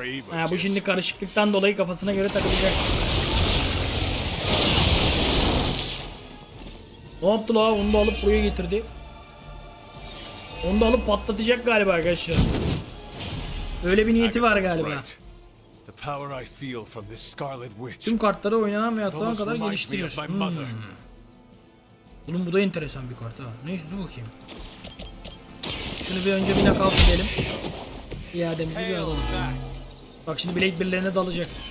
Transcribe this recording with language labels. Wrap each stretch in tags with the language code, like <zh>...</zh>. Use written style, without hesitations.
<tr>Ha, bu şimdi karışıklıktan dolayı kafasına göre takılacak. Ne yaptı la? Onu da alıp buraya getirdi. Onu da alıp patlatacak galiba arkadaşlar. Öyle bir niyeti var galiba.</tr> <en>The power I feel from this Scarlet Witch.</en> <tr>Tüm kartları oynanan ve atılan kadar geliştirir. Oğlum bu da enteresan bir kart ha. Neyse dur bakayım. Şunu bir önce bir knockout edelim. İademizi bir alalım. Bak şimdi Blade birilerine dalacak.</tr>